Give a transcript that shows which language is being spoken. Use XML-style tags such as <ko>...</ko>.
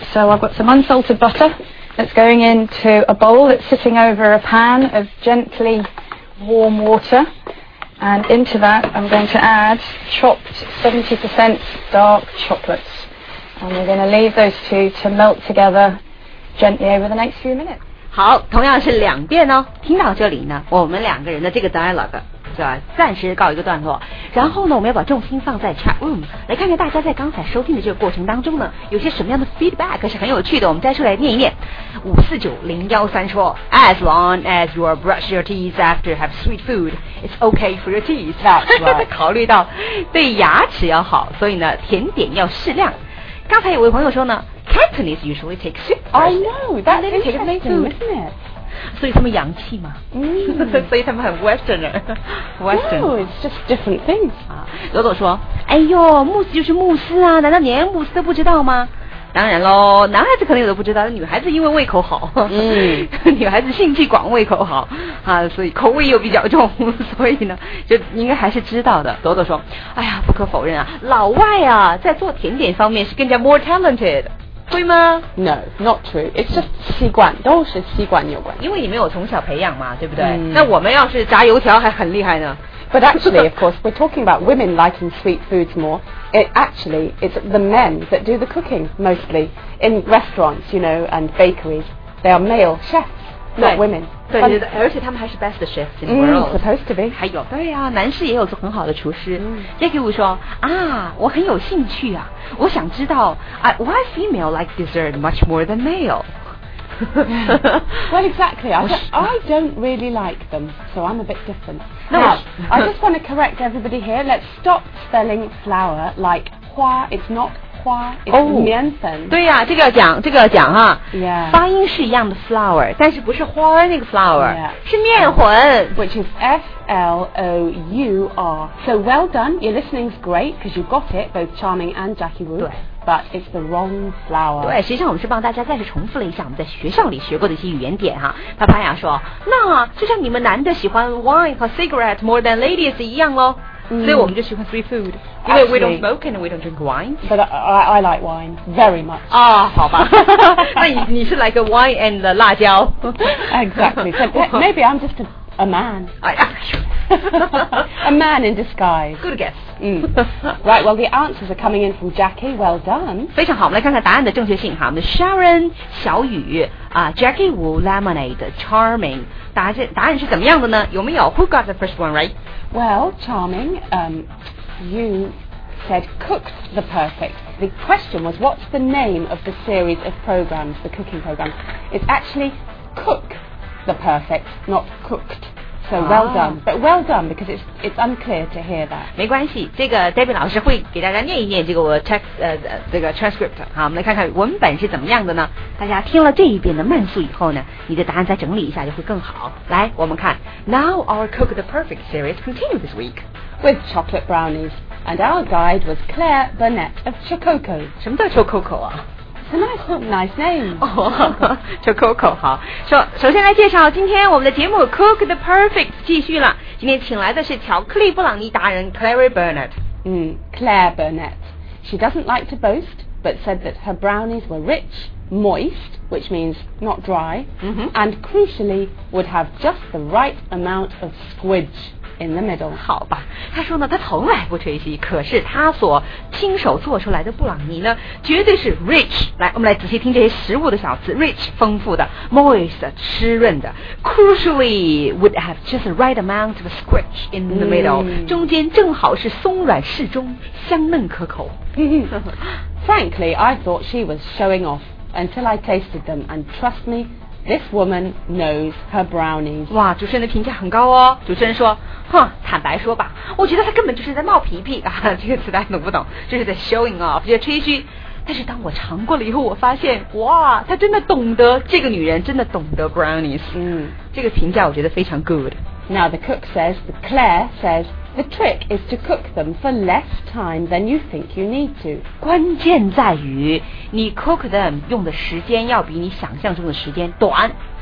<en>So I've got some unsalted butter that's going into a bowl that's sitting over a pan of gently warm water. And into that, I'm going to add chopped 70% dark chocolates. And we're going to leave those two to melt together gently over the next few minutes.</en> <zh>好，同样是两遍哦。听到这里呢，我们两个人的这个 dialogue 就要暂时告一个段落。然后呢，我们要把重心放在 chat room， 来看看大家在刚才收听的这个过程当中呢，有些什么样的 feedback 是很有趣的。我们再出来念一念。</zh> <en>549013说 ，As long as you brush your teeth after have sweet food, it's okay for your teeth. That's right.</en> <zh>考虑到对牙齿要好，所以呢，甜点要适量。刚才有位朋友说呢。</zh> <en>Cantonese usually take soup. I know, that's interesting, isn't it?</en> <zh>所以他们洋气嘛。所以他们很 Westerner.</zh> <en>Western. No, it's just different things.</en> <zh>罗总说，哎呦，慕斯就是慕斯啊，难道连慕斯都不知道吗？当然咯，男孩子可能有的不知道，女孩子因为胃口好，女孩子兴趣广，胃口好啊，所以口味又比较重，所以呢，就应该还是知道的。朵朵说，哎呀，不可否认啊，老外啊，在做甜点方面是更加</zh> <en>more talented，</en> <zh>会吗</zh> <en>？No, not true. It's just</en> <zh>习惯，都是习惯有关，因为你没有从小培养嘛，对不对？那我们要是炸油条还很厉害呢。</zh> <en>But actually, of course, we're talking about women liking sweet foods more. It actually, it's the men that do the cooking, mostly. In restaurants, you know, and bakeries, they are male chefs, not women.</en> <zh>对, 而且他们还是</zh> <en>best chefs in the world. Supposed to be.</en> <zh>还有，对啊，男士也有做很好的厨师。 Jackie Wu 说，啊，我很有兴趣啊，我想知道</zh> <en>why female like dessert much more than male? Well, exactly. I don't really like them, so I'm a bit different. Now, I just want to correct everybody here. Let's stop spelling flour like hua. It's not hua, it's</en> <zh>面粉. 对呀、啊、这个要讲这个要讲哈、</zh> <en>yeah.</en> <zh>发音是一样的 flour, 但是不是花那个 flour,、</zh> <en>yeah.</en> <zh>是面粉。</zh> <en>Which is F-L-O-U-R. So well done, your listening's great, because you got it, both Charming and Jackie Wu. But it's the wrong flower.</en> <zh>对，实际上我们是帮大家再次重复了一下我们在学校里学过的一些语言点哈。帕帕亚说，那就像你们男的喜欢 wine 和</zh> <en>cigarette more than ladies</en> <zh>一样咯。所以我们就喜欢</zh> <en>sweet food. Actually,</en> <zh>因为</zh> <en>we don't smoke and we don't drink wine. But I like wine very much.</en> <zh>啊，好吧。那你是</zh> <en>like a wine and the 辣椒。 Exactly. So maybe I'm just a man. A man in disguise. Good guess. Right, well, the answers are coming in from Jackie. Well done.</en> <zh>非常好，我们来看看答案的正确性哈。我们的 Sharon 小雨啊、Jackie Wu Lemonade Charming 答案是怎么样的呢？有没有</zh> <en>Who got the first one right? Well, Charming, you said cooked the perfect. The question was, what's the name of the series of programs, the cooking program? It's actually Cook the Perfect, not Cooked. So well done, but well done, because it's unclear to hear that.</en> <zh>没关系，这个 Debbie 老师会给大家念一念这个我 text 这个 transcript。好，我们来看看文本是怎么样的呢？大家听了这一遍的慢速以后呢，你的答案再整理一下就会更好。来，我们看</zh> <en>Now our Cook the Perfect series continues this week with chocolate brownies, and our guide was Claire Burnett of Chococo.</en> <zh>什么叫 Chococo 啊？</zh> <en>It's a nice name.</en> <zh>Chococo, 好。首先来介绍今天我们的节目 Cook the Perfect 继续了。今天请来的是巧克力布朗尼达人 Claire Burnett.</zh> <en>Claire Burnett. She doesn't like to boast, but said that her brownies were rich, moist, which means not dry, and crucially, would have just the right amount of squidge. in the middle.</en> <zh>好吧，他说呢，他从来不吹嘘，可是他所亲手做出来的布朗尼呢，绝对是 rich。来，我们来仔细听这些食物的小词 ：rich， 丰富的 ；moist， 湿润的 ；crucially，</zh> <en>would have just the right amount of squish in the middle，</en> <zh>中间正好是松软适中，香嫩可口。</zh> <en>Frankly, I thought she was showing off until I tasted them, and trust me. This woman knows her brownies.</en> <zh>哇，主持人的评价很高哦。主持人说，哼，坦白说吧，我觉得她根本就是在冒皮皮啊。这个词大家懂不懂？就是在</zh> <en>showing off，</en> <zh>就是吹嘘。但是当我尝过了以后，我发现，哇，她真的懂得，这个女人真的懂得 brownies。这个评价我觉得非常 good。</zh> <en>Now the cook says, Claire says, the trick is to cook them for less time than you think you need to.</en> <zh>关键在于你</zh> <en>cook them</en> <zh>用的时间要比你想象中的时间短。</zh>